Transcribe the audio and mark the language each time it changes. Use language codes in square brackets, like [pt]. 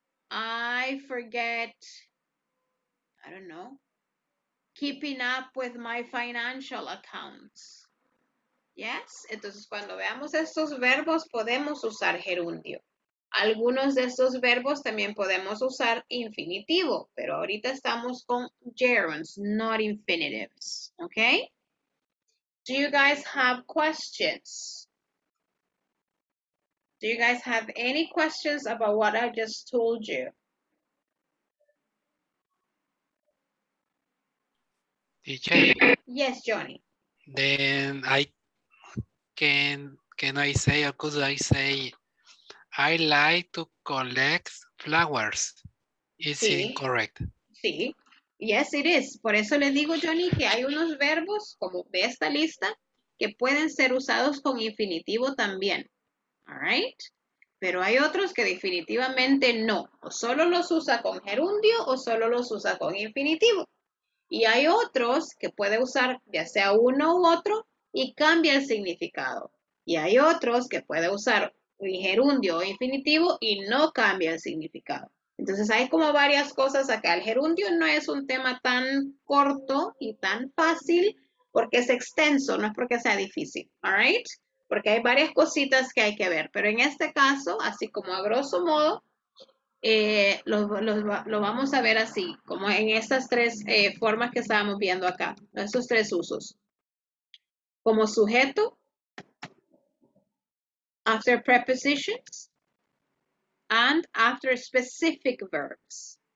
[en] I forget, I don't know, keeping up with my financial accounts. Yes? [es] Entonces, cuando veamos estos verbos, podemos usar gerundio. Algunos de estos verbos también podemos usar infinitivo, pero ahorita estamos con [en] gerunds, not infinitives, okay? Do you guys have questions? Do you guys have any questions about what I just told you? DJ. Yes, Johnny. Then I can I say, or could I say, I like to collect flowers. Is it correct? [es] Sí. [en] Yes, it is. [es] Por eso le digo, Johnny, que hay unos verbos, como de esta lista, que pueden ser usados con infinitivo también. [en] All right? [es] Pero hay otros que definitivamente no. O solo los usa con gerundio o solo los usa con infinitivo. Y hay otros que puede usar ya sea uno u otro y cambia el significado. Y hay otros que puede usar gerundio o infinitivo y no cambia el significado. Entonces hay como varias cosas acá. El gerundio no es un tema tan corto y tan fácil porque es extenso, no es porque sea difícil. [en] All right? [es] Porque hay varias cositas que hay que ver. Pero en este caso, así como a grosso modo, lo vamos a ver así, como en estas tres formas que estábamos viendo acá, estos tres usos. Como sujeto, [en] after prepositions, and after specific verbs.